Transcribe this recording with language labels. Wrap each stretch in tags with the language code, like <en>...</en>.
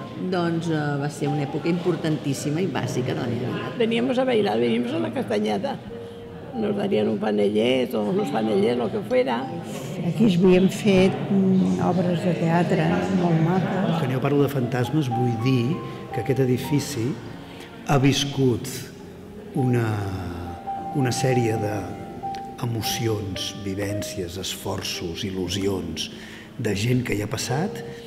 <ca>Doncs va ser una època importantíssima i bàsica de la meva vida.</ca> <es>Veníamos a bailar, veníamos a la castanyada. Nos darien un panellet o unos panellets, lo que fuera.</es> <ca>Aquí havíem fet obres de teatre molt maques. Quan jo parlo de fantasmes vull dir que aquest edifici ha viscut una sèrie d'emocions, vivències, esforços, il·lusions de gent que hi ha passat.</ca>